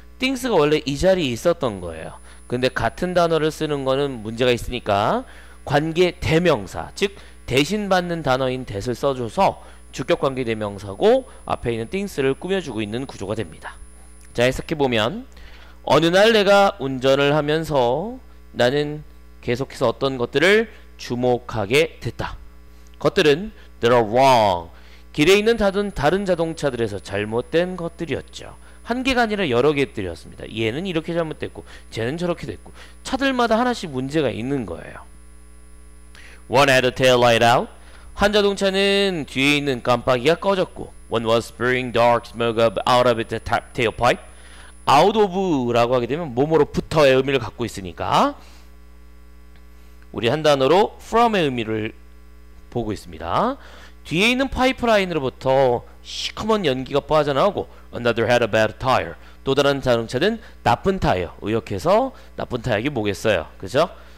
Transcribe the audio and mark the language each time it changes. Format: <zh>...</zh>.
<ko>things가 원래 이 자리에 있었던 거예요. 근데 같은 단어를 쓰는 거는 문제가 있으니까 관계 대명사, 즉 대신 받는 단어인 that을 써줘서 주격 관계 대명사고 앞에 있는 things를 꾸며주고 있는 구조가 됩니다. 자, 해석해보면 어느 날 내가 운전을 하면서 나는 계속해서 어떤 것들을 주목하게 됐다. 것들은</ko> <en>they're wrong.</en> <ko>길에 있는 다른 자동차들에서 잘못된 것들이었죠. 한 개가 아니라 여러 개들이었습니다. 얘는 이렇게 잘못됐고 쟤는 저렇게 됐고 차들마다 하나씩 문제가 있는 거예요.</ko> <en>One had a tail light out.</en> <ko>한 자동차는 뒤에 있는 깜빡이가 꺼졌고</ko> <en>One was spewing dark smoke up out of the tailpipe.</en> <ko>out of라고 하게 되면 뭐뭐로부터의 의미를 갖고 있으니까 우리 한 단어로 from의 의미를 보고 있습니다. 뒤에 있는 파이프라인으로부터 시커먼 연기가 빠져나오고</ko> <en>Another had a bad tire.</en> <ko>또 다른 자동차는 나쁜 타이어. 의역해서 나쁜 타이어가 뭐겠어요? 그죠?</ko>